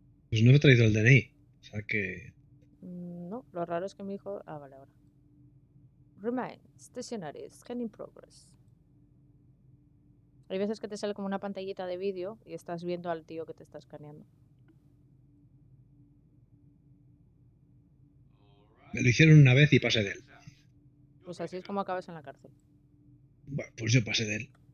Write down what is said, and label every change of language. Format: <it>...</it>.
<es>Pues no he traído el DNI, o sea que... No, lo raro es que mi hijo... Ah, vale, ahora.</es> <en>Remain, stationary, scan in progress.</en> <es>Hay veces que te sale como una pantallita de vídeo y estás viendo al tío que te está escaneando. Me lo hicieron una vez y pasé de él. Pues así es como acabas en la cárcel. Bueno, pues yo pasé de él.</es>